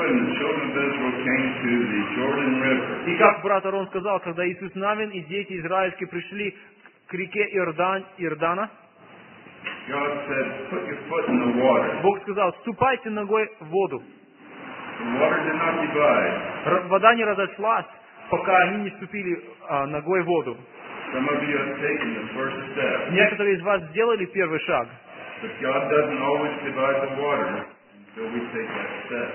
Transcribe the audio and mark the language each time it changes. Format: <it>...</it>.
<ru>И как брат Аарон сказал, когда Иисус Навин и дети израильские пришли к реке Иордана,</ru> <en>God said, "Put your foot in the water."</en> <ru>Бог сказал, ступайте ногой в воду.</ru> <en>The water did not divide.</en> <ru>Вода не разошлась, пока они не ступили ногой в воду.</ru> <en>Some of you have taken the first step.</en> <ru>Некоторые из вас сделали первый шаг.</ru> <en>But God doesn't always divide the water until we take that step.</en>